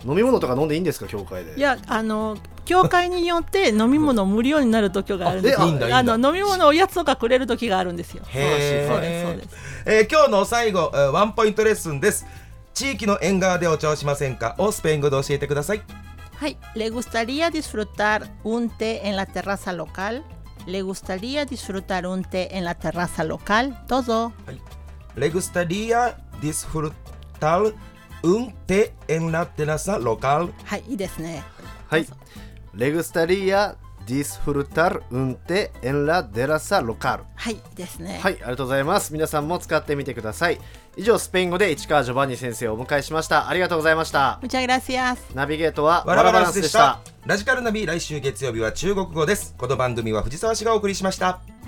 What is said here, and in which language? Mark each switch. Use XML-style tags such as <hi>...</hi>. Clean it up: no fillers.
<ja>飲み物とか飲んでいいんですか、教会で。いや、あの教会によって飲み物を無料になる時があるんですよ。あの飲み物、おやつとかくれる時があるんですよ。へえ、そうです、そうです。今日の最後、ワンポイントレッスンです。地域の縁側でお茶をしませんかをスペイン語で教えてください。</ja> <es>はい、¿Le gustaría disfrutar un té en la terraza local? ¿Le gustaría disfrutar un té en la terraza local?</es> <ja>どうぞ。</ja> <es>はい、¿Le gustaría disfrutar un té en la terraza local?</es> <ja>はい、いいですね。</ja> <es>はい、¿Le gustaría disfrutar un té en la terraza local?</es> <ja>はい、ですね。はい、ありがとうございます。皆さんも使ってみてください。以上、スペイン語で市川ジョバンニ先生をお迎えしました。ありがとうございました。</ja> <es>Muchas gracias。</es> <ja>ナビゲートはワラバランスでした。ラジカルナビ、来週月曜日は中国語です。この番組は藤沢氏がお送りしました。</ja>